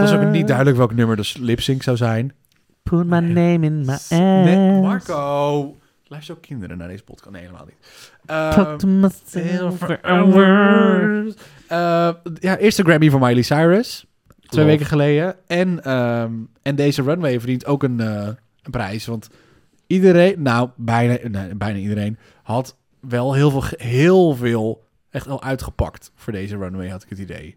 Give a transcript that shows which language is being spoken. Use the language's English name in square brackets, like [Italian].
[Dutch] Het was ook niet duidelijk welk nummer de lip-sync zou zijn. [English] Put my name in my ass. [Dutch] Marco. Luister ook kinderen naar deze podcast? Nee, helemaal niet. [English] Talk to myself for hours. [Dutch] Eerste Grammy voor Miley Cyrus. Twee weken geleden. En deze runway verdient ook een prijs. Want iedereen, bijna iedereen, had wel heel veel echt al uitgepakt voor deze runway, had ik het idee.